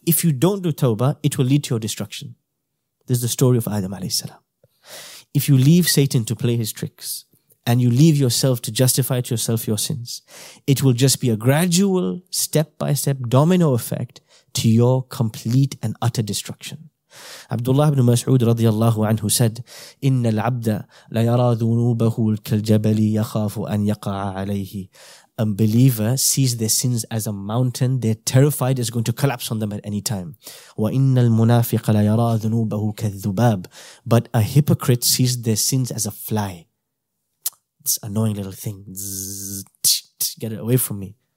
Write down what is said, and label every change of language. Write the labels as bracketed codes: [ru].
[en] If you don't do tawbah, it will lead to your destruction. This is the story of Adam alayhi salam. If you leave Satan to play his tricks and you leave yourself to justify to yourself your sins, it will just be a gradual, step-by-step domino effect to your complete and utter destruction. Abdullah ibn Mas'ud radiyallahu anhu said, [ar] إِنَّ الْعَبْدَ لَيَرَى ذُنُوبَهُ كَالْجَبَلِ يَخَافُ أَنْ يَقَعَ عَلَيْهِ. [en] A believer sees their sins as a mountain, they're terrified it's going to collapse on them at any time. [ar] وَإِنَّ الْمُنَافِقَ لَيَرَى ذُنُوبَهُ كَالذُّبَابِ. [en] But a hypocrite sees their sins as a fly. It's an annoying little thing. Get it away from me.